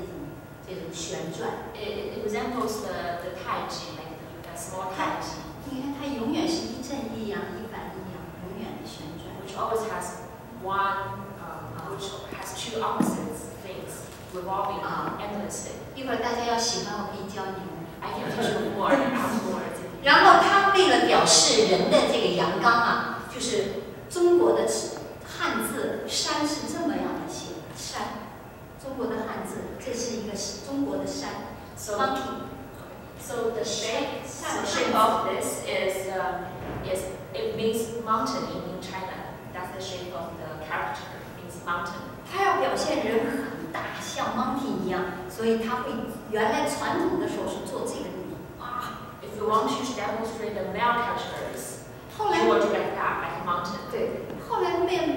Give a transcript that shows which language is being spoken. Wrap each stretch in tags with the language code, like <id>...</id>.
<zh>这实际上是一个像那个永远无止境的一个小太极的这种旋转.</zh> <en>It resembles the Tai Chi, like the small Tai Chi.</en> <zh>你看它永远是一正一阳，一反一阳，永远的旋转.</zh> <en>Which always has one, which has two opposite things revolving endlessly.</en> <zh>一会儿大家要喜欢，我可以教你。</zh> <en>I can teach you more afterwards.</en> <zh>然后他为了表示人的这个阳刚啊，就是中国的汉字“山”是这么样的写“山”，中国的汉字，这是一个中国的山。</zh> <en>So monkey. So the shape of this is it means mountain in China. That's the shape of the character. Means mountain.</en> <zh>他要表现人很大，像 monkey 一样，所以他会原来传统的时候是做这个。</zh> <en>If you want to demonstrate the male characters, you want to get that like a mountain.</en>